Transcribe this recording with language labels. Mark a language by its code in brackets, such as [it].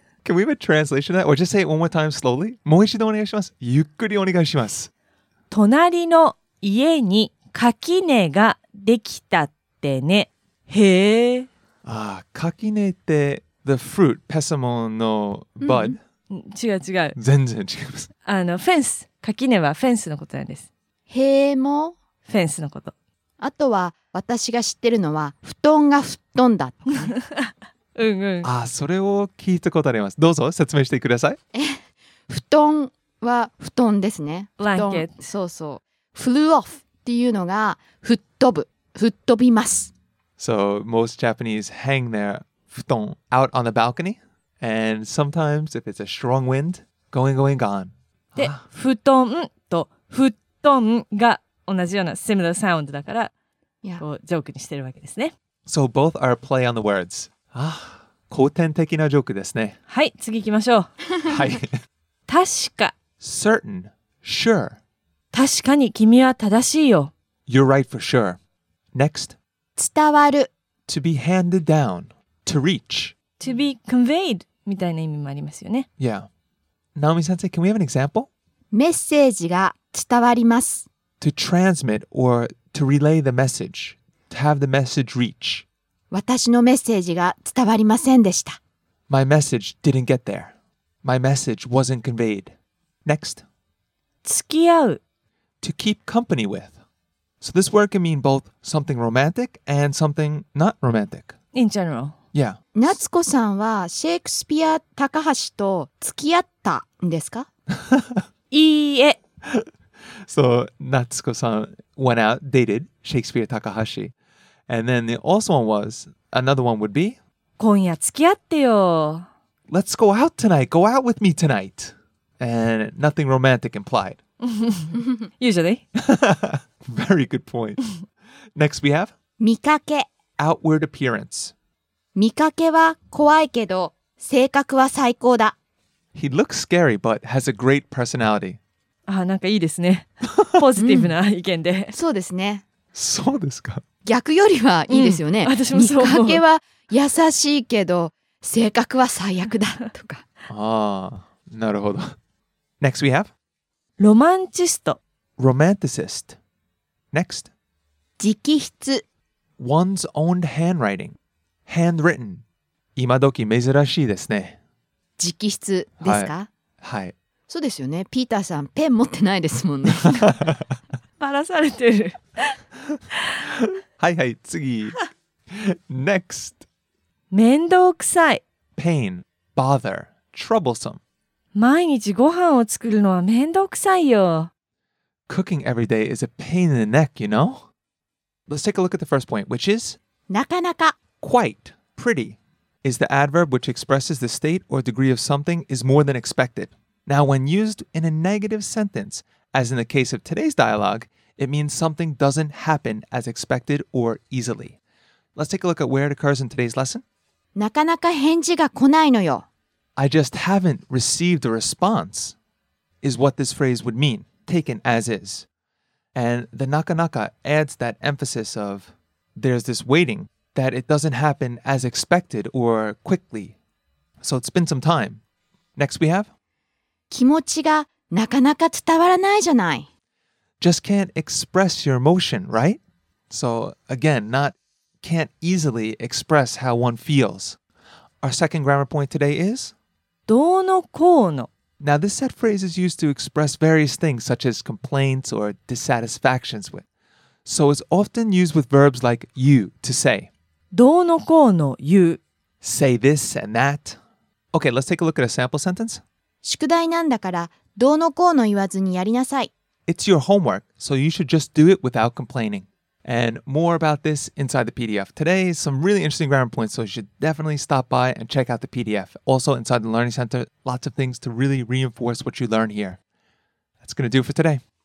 [en] Can we have a translation of that? Or just say it one more time slowly? [ja] もう一度お願いします。ゆっくりお願いします。隣の家に垣根ができたってね。へえ。ああ、垣根って [en] the fruit、 [ja] ペサモンの bud、うん、違う違う、全然違います。あのフェンス、垣根はフェンスのことなんです。塀もフェンスのこと。あとは私が知ってるのは布団が吹っ飛んだとか。うんうん。ああ、それを聞いたことあります。どうぞ説明してください。布団は布団ですね。 [en] Blanket。 [ja] そうそう、 [en] flew off [ja] っていうのが吹っ飛ぶ、吹っ飛びます。 [en] So most Japanese hang their futon out on the balcony, and sometimes if it's a strong wind, going, going, gone. [ja] で、futon と futon が同じような [en] similar sound [ja] だから、yeah. こうジョークにしてるわけですね。 [en] So both are a play on the words. [ja] Ah, 古典的なジョークですね。はい、次行きましょう。はい。確か。 [en] Certain. Sure. [ja] 確かに君は正しいよ。 [en] You're right for sure. Next. [ja] 伝わる。 [en] To be handed down. To reach. To be conveyed. [ja] みたいな意味もありますよね。 [en] Yeah. Naomi 先生, can we have an example? [ja] メッセージが伝わります。 [en] To transmit or to relay the message. To have the message reach. [ja] 私のメッセージが伝わりませんでした。 [en] My message didn't get there. My message wasn't conveyed. Next. [ja] 付き合う。 [en] To keep company with. So this word can mean both something romantic and something not romantic. In general. Yeah. [ja] 夏子さんはシェイクスピア高橋と付き合ったんですか？いいえ。 [en] So 夏子さん went out, dated Shakespeare Takahashi. And then the also one was, another one would be? [ja] 今夜付き合ってよ。 [en] let's go out tonight. Go out with me tonight. And nothing romantic implied. Usually. Very good point. Next we have? [ja] 見かけ. [en] Outward appearance. [ja] 見かけは怖いけど、性格は最高だ. [en] He looks scary, but has a great personality. [ja] あ、なんかいいですね。ポジティブな意見で。そうですね。そうですか? 逆よりはいいですよね。私もそう思う。見かけは優しいけど、性格は最悪だ、とか。あ、なるほど。 [en] Next we have? [ja] ロマンチスト. [en] Romanticist. Next. [ja] 直筆. [en] One's own handwriting. Handwritten. [ja] 今時珍しいですね。直筆ですか? はい。そうですよね。ピーターさん、ペン持ってないですもんね。バラされてる。はいはい、次。Next. 面倒くさい. [en] Pain. Bother. Troublesome. [ja] 毎日ご飯を作るのは面倒くさいよ。 [en] Cooking every day is a pain in the neck, you know? Let's take a look at the first point, which is? [ja] なかなか. [en] Quite. Pretty. Is the adverb which expresses the state or degree of something is more than expected. Now, when used in a negative sentence, as in the case of today's dialogue, it means something doesn't happen as expected or easily. Let's take a look at where it occurs in today's lesson. [ja] なかなか返事が来ないのよ。 [en] I just haven't received a response, is what this phrase would mean, taken as is. And the nakanaka adds that emphasis of there's this waiting, that it doesn't happen as expected or quickly. So it's been some time. Next we have? [ja] 気持ちがなかなか伝わらないじゃない。 [en] Just can't express your emotion, right? So again, not can't easily express how one feels. Our second grammar point today is? [ja] どうのこうの. [en] Now this set phrase is used to express various things such as complaints or dissatisfactions with. So it's often used with verbs like you to say. [ja] どうのこうの言う. [en] Say this and that. Okay, let's take a look at a sample sentence. [ja] 宿題なんだからどうのこうの言わずにやりなさい. [en] It's your homework, so you should just do it without complaining. And more about this inside the PDF. Today, some really interesting grammar points, so you should definitely stop by and check out the PDF. Also, inside the Learning Center, lots of things to really reinforce what you learn here. That's going to do it for today.